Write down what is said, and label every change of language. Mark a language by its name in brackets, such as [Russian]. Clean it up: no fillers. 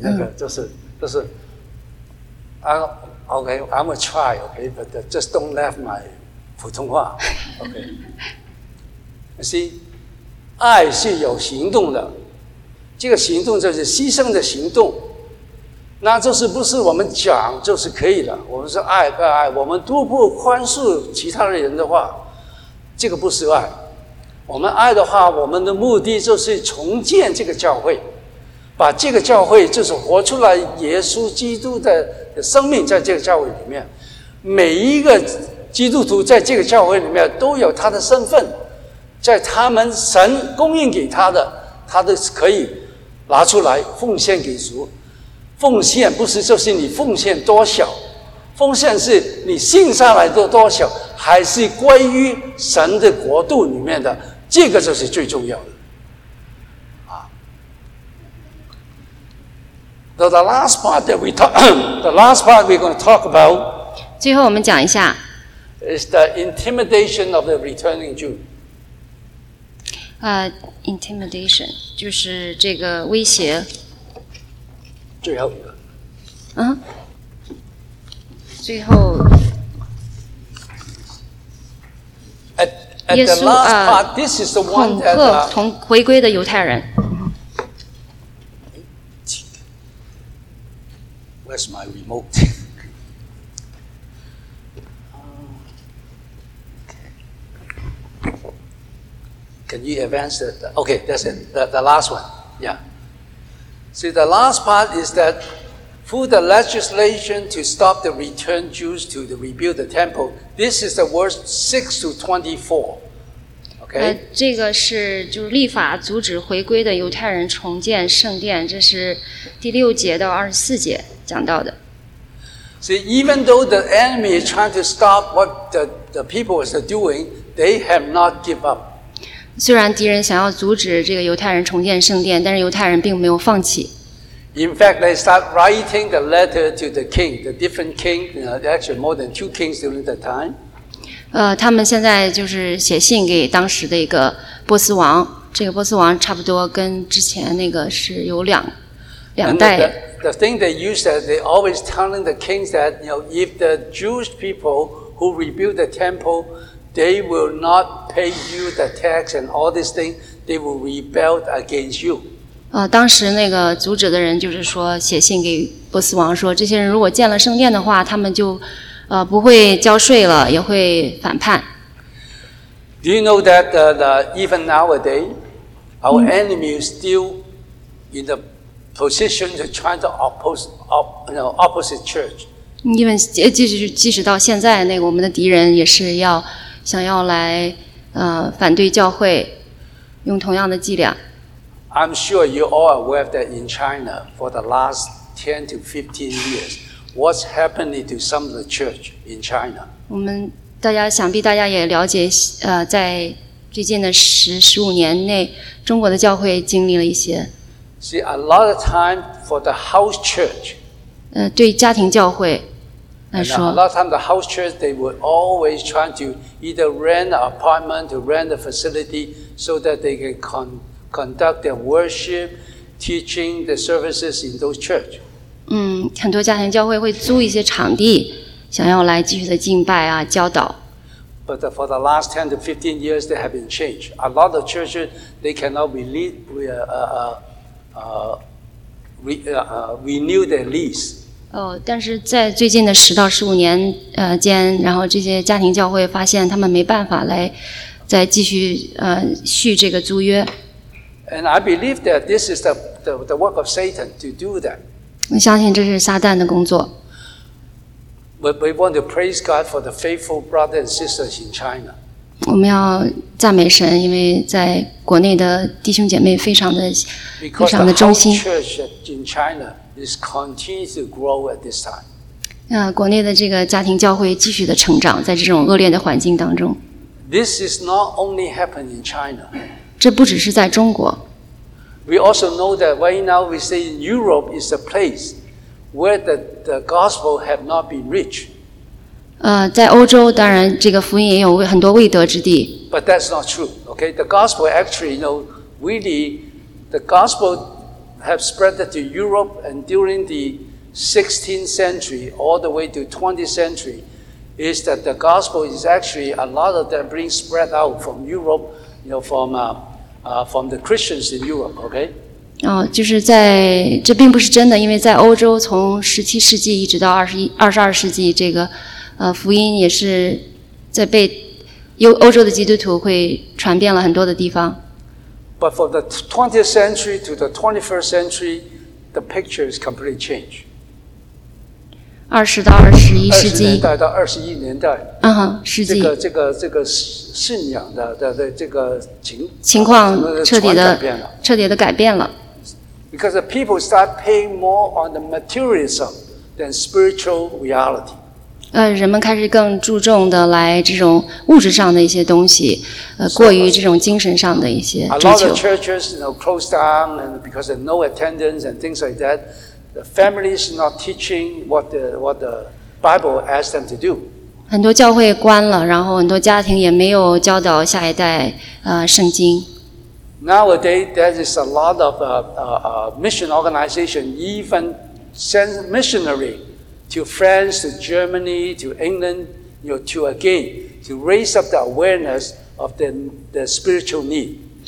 [Chinese] 那个就是 [English] I'm a try, okay, but just don't leave my. [Chinese] 普通话 ，OK。 [English] See， [Chinese] 爱是有行动的，这个行动就是牺牲的行动，那就是不是我们讲就是可以的。我们说爱不爱，我们多不宽恕其他人的话，这个不是爱。我们爱的话，我们的目的就是重建这个教会，把这个教会就是活出来耶稣基督的生命在这个教会里面，每一个。基督徒在这个教会里面都有他的身份，在他们神供应给他的，他都可以拿出来奉献给主。奉献不是就是你奉献多少，奉献是你信上来的多少，还是归于神的国度里面的，这个就是最重要的。 [English] So the last part that we talk, the last part we're going to talk about. [Chinese] 最后我们讲一下。 [English] Is the intimidation of the returning Jew? [Chinese] Intimidation 就是这个威胁。最后一个。最后。 [English] At the last part, this is the one that [Chinese] 恐吓回归的犹太人。 [English] Where's my remote? Can you advance that? Okay, that's it. The last one. Yeah. See, the last part is that through the legislation to stop the return Jews to rebuild the temple, this is the verse 6 to 24. Okay? [Chinese] 这个是就是立法阻止回归的犹太人重建圣殿，这是第六节到二十四节讲到的。 [English] See, even though the enemy is trying to stop what the people are doing, they have not given up. [Chinese] 虽然敌人想要阻止这个犹太人重建圣殿，但是犹太人并没有放弃。 [English] In fact, they start writing the letter to the king, the different king, actually more than two kings during that time. [Chinese] 他们现在就是写信给当时的一个波斯王，这个波斯王差不多跟之前那个是有两代。 [English] And the, the thing they use that they always telling the kings that, you know, if the Jewish people who rebuild the temple, they will not pay you the tax and all these things, they will rebel against you. [Chinese] 当时那个阻止的人就是说写信给波斯王说这些人如果建了圣殿的话他们就不会交税了也会反叛。 [English] Do you know that even nowadays, our enemy is still in the position to try to opposite church? Even, [Chinese] 即使到现在那个我们的敌人也是要想要来反对教会用同样的伎俩。 [English] I'm sure you all are aware that in China for the last 10 to 15 years, what's happening to some of the church in China? [Chinese] 我们大家想必大家也了解在最近的15年内中国的教会经历了一些。 [English] See, a lot of time for the house church. [Chinese] 对家庭教会来说。 [English] And a lot of time the house church, they would always try to either rent an apartment, to rent a facility so that they can conduct their worship, teaching the services in those church. [Chinese] 很多家庭教会会租一些场地想要来继续的敬拜啊教导。 [English] But for the last 10 to 15 years, they have been changed. A lot of churches, they cannot renew their lease. [Chinese] 但是在最近的10到15年间然后这些家庭教会发现他们没办法来再继续续这个租约。 [English] And I believe that this is the work of Satan to do that. [Chinese] 我相信这是撒旦的工作。 [English] We want to praise God for the faithful brothers and sisters in China. [Chinese] 我们要赞美神，因为在国内的弟兄姐妹非常的、非常的忠心。 [English] Because the whole church in China is continuing to grow at this time. [Chinese] 国内的这个家庭教会继续的成长，在这种恶劣的环境当中。 [English] This is not only happening in China. [Chinese] 这不只是在中国。 [English] We also know that right now we say in Europe is a place. Where the gospel have not been reached. [Chinese] 在欧洲当然这个福音也有很多未得之地。 [English] But that's not true, okay? The gospel actually, you know, really, the gospel have spread to Europe and during the 16th century all the way to 20th century is that the gospel is actually a lot of them being spread out from Europe, you know, from the Christians in Europe, okay? [Chinese] 就是在这并不是真的，因为在欧洲从17世纪一直到22世纪，这个福音也是在被欧洲的基督徒会传遍了很多的地方。 [English] But from the 20th century to the 21st century, the picture is completely changed. [Chinese] 20到21世纪。 20年代到21年代。世纪。这个信仰的这个情况彻底的改变了。 [English] Because the people start paying more on the materialism than spiritual reality. [Chinese] 人们开始更注重的来这种物质上的一些东西，过于这种精神上的一些追求。 [English] A lot of churches, you know, closed down and because of no attendance and things like that, the families not teaching what the Bible asks them to do. [Chinese] 很多教会关了，然后很多家庭也没有教导下一代圣经。 [English] Nowadays, there is a lot of mission organization, even send missionary to France, to Germany, to England, you know, to raise up the awareness of the spiritual need.